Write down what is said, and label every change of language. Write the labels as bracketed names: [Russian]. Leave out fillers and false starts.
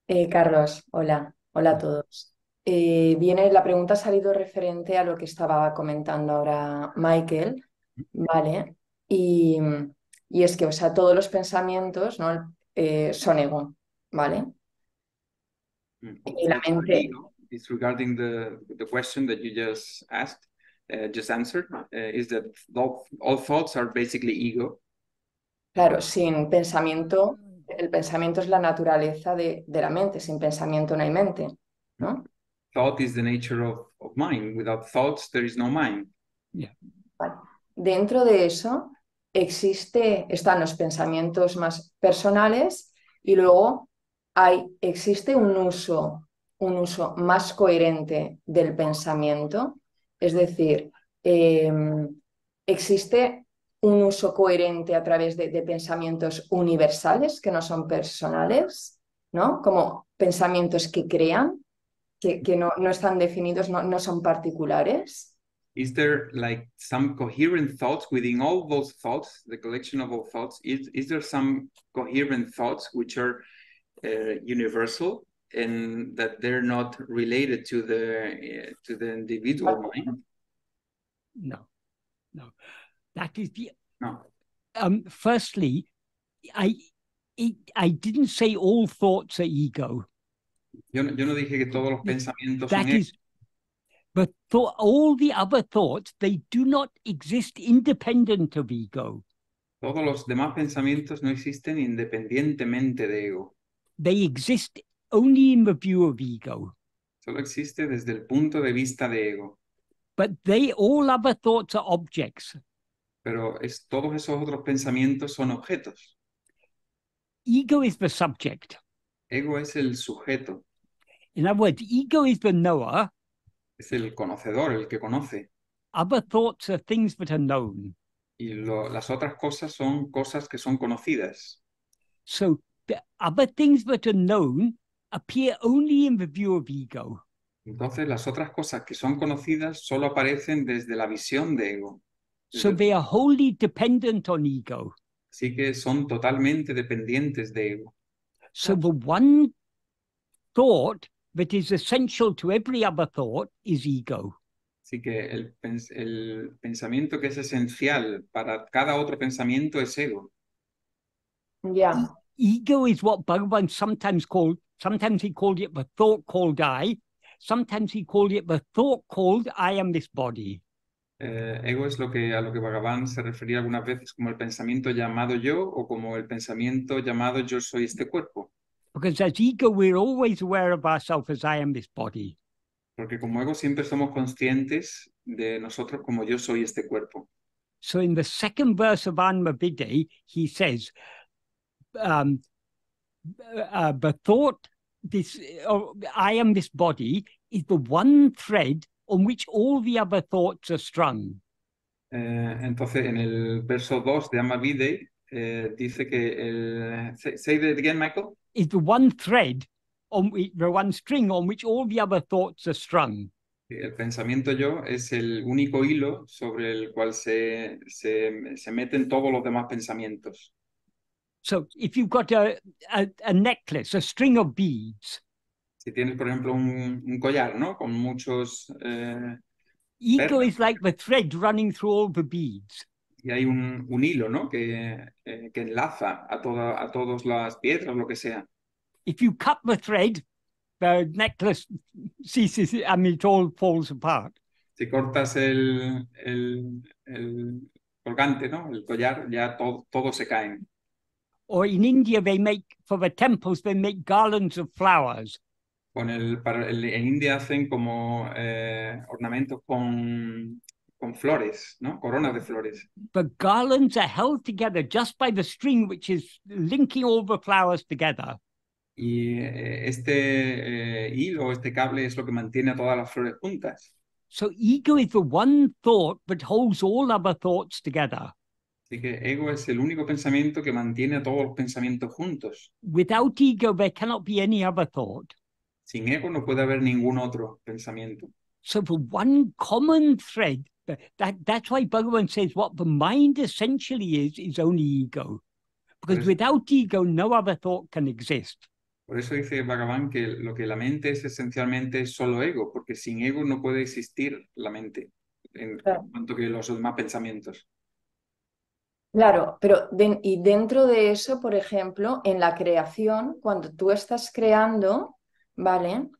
[Spanish] Carlos, hola. Hola a todos. La pregunta ha salido referente a lo que estaba comentando ahora Michael, ¿vale? Y es que, o sea, todos los pensamientos, ¿no? Son ego, ¿vale? Y la mente. [English] It's regarding the question that you just asked, just answered, is that all thoughts are basically ego. [Spanish] Claro, sin pensamiento, el pensamiento es la naturaleza de la mente, sin pensamiento no hay mente, ¿no? [English] Thought is the nature of mind. Without thoughts, there is no mind. Yeah. [Spanish] Vale. Dentro de eso, están los pensamientos más personales y luego existe un uso más coherente del pensamiento. Es decir, existe un uso coherente a través de pensamientos universales que no son personales, ¿no? Como pensamientos que crean, que no están definidos, no son particulares. [English] Is there like some coherent thoughts within all those thoughts, the collection of all thoughts? Is there some coherent thoughts which are universal and that they're not related to the individual mind? No. That is the... No. Firstly, I didn't say all thoughts are ego. [Spanish] Yo no dije que todos los pensamientos son ego. [English] But all the other thoughts, they do not exist independent of ego. [Spanish] Todos los demás pensamientos no existen independientemente de ego. [English] They exist only in the view of ego. [Spanish] Solo existe desde el punto de vista de ego. [English] But they all other thoughts are objects. [Spanish] Pero todos esos otros pensamientos son objetos. [English] Ego is the subject. [Spanish] Ego es el sujeto. [English] In other words, ego is the knower. [Spanish] Es el conocedor, el que conoce. [English] Other thoughts are things that are known. [Spanish] Y las otras cosas son cosas que son conocidas. [English] So, the other things that are known appear only in the view of ego. [Spanish] Entonces, las otras cosas que son conocidas solo aparecen desde la visión de ego. [English] So, they are wholly dependent on ego. [Spanish] Así que son totalmente dependientes de ego. [English] So, the one thought that is essential to every other thought is ego. [Spanish] Así que el pensamiento que es esencial para cada otro pensamiento es ego. [English] Yeah. Ego is what Bhagavan sometimes he called it the thought called I, sometimes he called it the thought called I am this body. [Spanish] Ego es a lo que Bhagavan se refería algunas veces como el pensamiento llamado yo o como el pensamiento llamado yo soy este cuerpo. [English] Because as ego, we're always aware of ourselves as I am this body. [Spanish] Porque como ego siempre somos conscientes de nosotros como yo soy este cuerpo. [English] So in the second verse of Atma-vichara, he says, the thought, I am this body, is the one thread on which all the other thoughts are strung. [Spanish] Entonces, en el verso 2 de Atma-vichara, dice que [English] say that again, Michael. Is the one thread, the one string on which all the other thoughts are strung. [Spanish] El pensamiento yo es el único hilo sobre el cual se meten todos los demás pensamientos. [English] So, if you've got a necklace, a string of beads. [Spanish] Si tienes, por ejemplo, un collar, ¿no? Con muchos. [English] Ego is like the thread running through all the beads. [Spanish] Y hay un hilo, ¿no? Que enlaza a todas las piedras, lo que sea. [English] if you cut the thread, the necklace ceases and it all falls apart. [Spanish] Si cortas el colgante, ¿no? El collar, ya todo se cae. [English] Or in India, they make, for the temples, they make garlands of flowers. [Spanish] En India hacen como ornamentos con flores, ¿no? Coronas de flores. [English] The garlands are held together just by the string which is linking all the flowers together. [Spanish] Y este hilo, este cable, es lo que mantiene a todas las flores juntas. [English] So ego is the one thought that holds all other thoughts together. [Spanish] Así que ego es el único pensamiento que mantiene a todos los pensamientos juntos. [English] Without ego, there cannot be any other thought. [Spanish] Sin ego no puede haber ningún otro pensamiento. [English] So the one common thread, that's why Bhagavan says what the mind essentially is only ego. Because without ego, no other thought can exist. [Spanish] Por eso dice Bhagavan que lo que la mente es esencialmente es solo ego, porque sin ego no puede existir la mente, en cuanto que los demás pensamientos. Claro, pero y dentro de eso, por ejemplo, en la creación, cuando tú estás creando, ¿vale?